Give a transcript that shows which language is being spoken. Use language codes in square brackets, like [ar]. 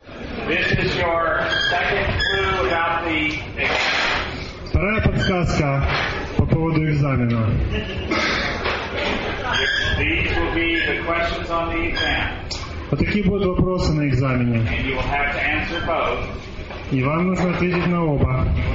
[en] This is your second clue about the exam. [ru] Вторая подсказка по поводу экзамена. [en] These will be the questions on the exam. [ru] Вот такие будут вопросы на экзамене. [en] And you will have to answer both. [ru] И вам нужно ответить на оба.